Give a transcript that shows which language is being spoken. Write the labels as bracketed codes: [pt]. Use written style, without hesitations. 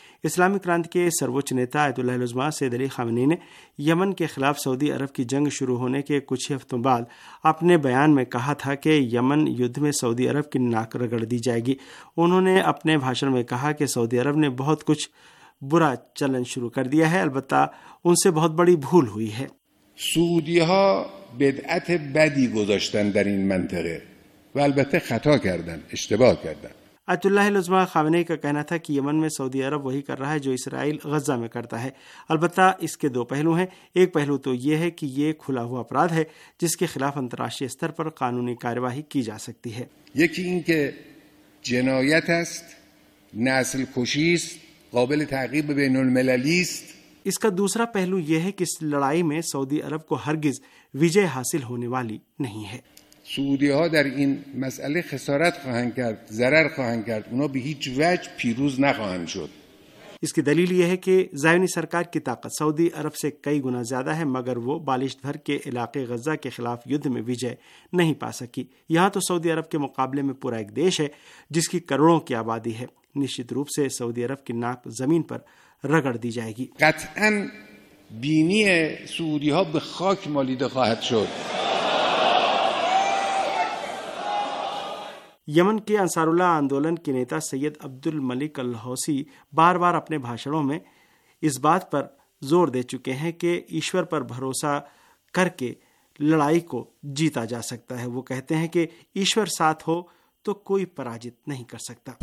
[ur] اسلامی کرانت کے سروچ نیتا آیت اللہ العظمہ سید علی خامنی نے یمن کے خلاف سعودی عرب کی جنگ شروع ہونے کے کچھ ہفتوں بعد اپنے بیان میں کہا تھا کہ یمن یدھ میں سعودی عرب کی ناک رگڑ دی جائے گی. انہوں نے اپنے بھاشن میں کہا کہ سعودی عرب نے بہت کچھ برا چلن شروع کر دیا ہے, البتہ ان سے بہت بڑی بھول ہوئی ہے. [fa] سعودی ها بدعت بدی گذاشتن در این منطقه و البته خطا کردن, اشتباه کردن. [ur] آیت الله العظمی خامنه ای کا کہنا تھا کہ یمن میں سعودی عرب وہی کر رہا ہے جو اسرائیل غزہ میں کرتا ہے. البتہ اس کے دو پہلو ہیں, ایک پہلو تو یہ ہے کہ یہ کھلا ہوا اپرادھ ہے جس کے خلاف انتراشتریہ استر پر قانونی کارواہی کی جا سکتی ہے. [fa] یکی ان کے جنایت است, نسل کشی است, قابل تعقیب بین المللی است. [ur] اس کا دوسرا پہلو یہ ہے کہ اس لڑائی میں سعودی عرب کو ہرگز وجے حاصل ہونے والی نہیں ہے. [fa] سعودی ها در این مسئله خسارت خواهند کرد, ضرر خواهند کرد, اونا به هیچ وجه پیروز نخواهند شد. [ur] اس کی دلیل یہ ہے کہ زائنی سرکار کی طاقت سعودی عرب سے کئی گنا زیادہ ہے, مگر وہ بالشت بھر کے علاقے غزہ کے خلاف یدھ میں وجے نہیں پا سکی. یہاں تو سعودی عرب کے مقابلے میں پورا ایک دیش ہے جس کی کروڑوں کی آبادی ہے. نشچت روپ سے سعودی عرب کی ناک زمین پر رگڑ دی جائے گی. [fa] قطعاً بینی سعودی ها به خاک مالیده خواهد شد. [ur] یمن کے انصار اللہ آندولن کے نیتا سید عبد الملک الحوثی بار بار اپنے بھاشنوں میں اس بات پر زور دے چکے ہیں کہ ایشور پر بھروسہ کر کے لڑائی کو جیتا جا سکتا ہے. وہ کہتے ہیں کہ ایشور ساتھ ہو تو کوئی پراجت نہیں کر سکتا.